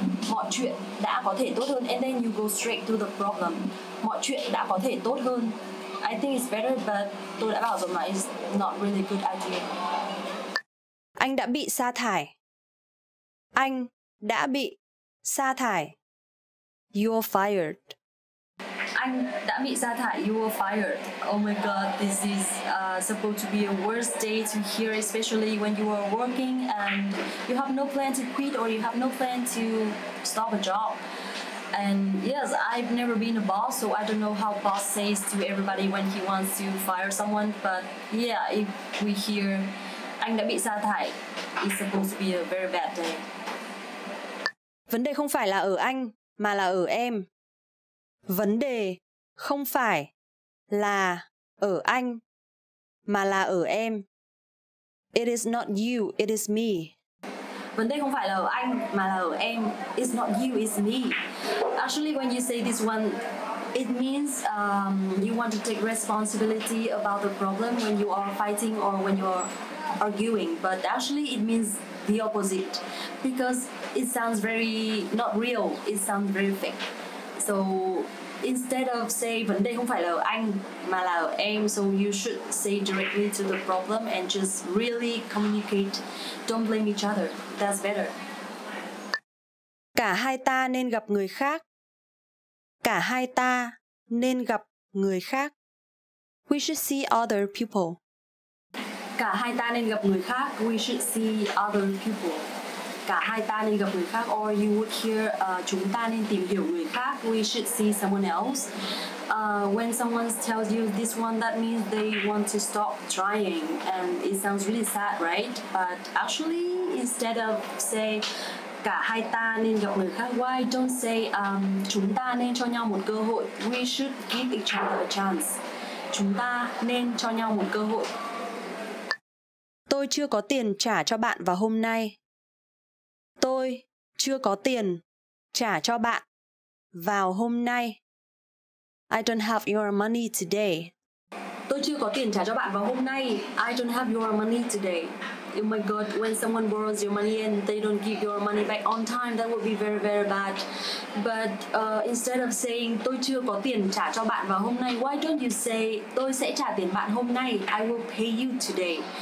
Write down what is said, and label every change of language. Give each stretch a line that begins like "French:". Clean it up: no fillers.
Vietnamese: Mọi chuyện đã có thể tốt hơn,
English: and then you go straight to the problem.
Vietnamese: Mọi chuyện đã có thể tốt hơn.
English: I think it's better, but
Vietnamese: tôi đã bảo rồi mà,
English: it's not really good idea.
Vietnamese: Anh đã bị sa thải. Anh đã bị sa thải.
English: You're fired.
Vietnamese: Anh đã bị sa thải.
English: You were fired. Oh my god, this is supposed to be a worst day to hear, especially when you are working and you have no plan to quit or you have no plan to stop a job. And yes, I've never been a boss, so I don't know how boss says to everybody when he wants to fire someone. But yeah, if we hear
Vietnamese: anh đã bị sa thải,
English: it's supposed to be a very bad day.
Vietnamese: Vấn đề không phải là ở anh, mà là ở em. Vấn đề không phải là ở anh, mà là ở em.
English: It is not you, it is me.
Vietnamese: Vấn đề không phải là ở anh, mà là ở em.
English: It's not you, it's me. Actually, when you say this one, it means you want to take responsibility about the problem when you are fighting or when you are arguing. But actually, it means the opposite, because it sounds very not real. It sounds very fake. So instead of saying
Vietnamese: vấn đề không phải là anh mà là em,
English: so you should say directly to the problem and just really communicate. Don't blame each other. That's better.
Vietnamese: Cả hai ta nên gặp người khác. Cả hai ta nên gặp người khác.
English: We should see other people.
Vietnamese: Cả hai ta nên gặp người khác.
English: We should see other people.
Vietnamese: Cả hai ta nên gặp người khác.
English: Or you would hear
Vietnamese: chúng ta nên tìm hiểu người khác.
English: We should see someone else. When someone tells you this one, that means they want to stop trying. And it sounds really sad, right? But actually, instead of say
Vietnamese: cả hai ta nên gặp người khác,
English: why don't say
Vietnamese: chúng ta nên cho nhau một cơ hội.
English: We should give each other a chance.
Vietnamese: Chúng ta nên cho nhau một cơ hội. Tôi chưa có tiền trả cho bạn vào hôm nay. Tôi chưa có tiền trả cho bạn vào hôm nay.
English: I don't have your money today.
Vietnamese: Tôi chưa có tiền trả cho bạn vào hôm nay.
English: I don't have your money today. Oh my god, when someone borrows your money and they don't give your money back on time, that would be very, very bad. But instead of saying
Vietnamese: tôi chưa có tiền trả cho bạn vào hôm nay,
English: why don't you say
Vietnamese: tôi sẽ trả tiền bạn hôm nay,
English: I will pay you today.